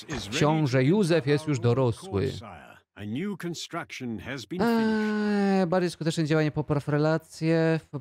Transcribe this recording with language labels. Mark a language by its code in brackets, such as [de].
[pl] Książę Józef jest już dorosły. [en] A new construction has been finished. [pl] Bardziej skuteczne działanie popraw relacje.